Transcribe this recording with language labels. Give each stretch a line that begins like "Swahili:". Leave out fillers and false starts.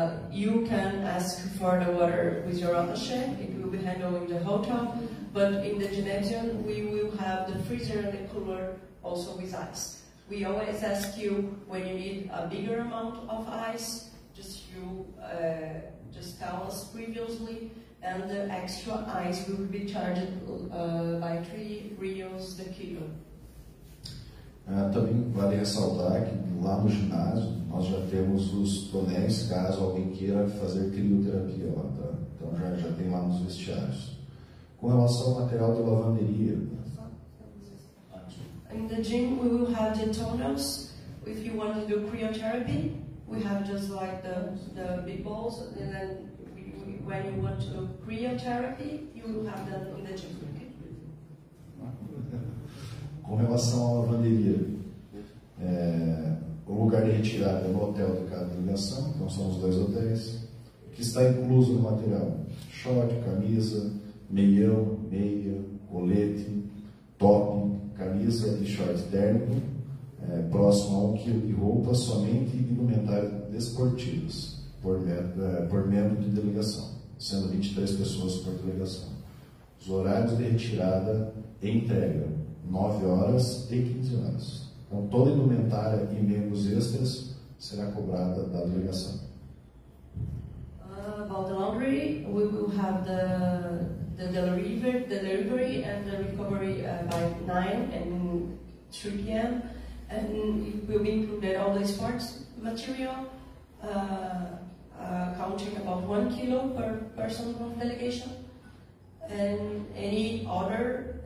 English: You can ask for the water with your attaché, it will be handled in the hotel, but in the gymnasium, we will have the freezer and the cooler also with ice. We always ask you when you need a bigger amount of ice, just tell us previously, and the extra ice will be charged by 3 rios the kilo.
Portuguese: Também vale ressaltar que lá no ginásio nós já temos os tonéis caso alguém queira fazer crioterapia lá, tá? Então já tem lá nos vestiários. Com relação ao material de lavanderia,
English: in the gym we will have the tonos. If you want to do cryotherapy, we have just like the big balls, and then when you want to do cryotherapy, you will have them in the gym.
Portuguese: Com relação à lavanderia, o lugar de retirada é o hotel de cada delegação, então são os 2 hotéis, que está incluso no material: short, camisa, meião, meia, colete, top, camisa de short térmico, próximo a 1 quilo de roupa, somente indumentária desportiva, por membro de delegação, sendo 23 pessoas por delegação. Os horários de retirada e entrega: 9 horas e 15 horas. Então, toda indumentária e membros extras será cobrada da delegação.
English: About the laundry, we will have the delivery and the recovery by 9 and 3 p.m. And it will be included all the sports material, counting about 1 kilo per person of delegation. And any other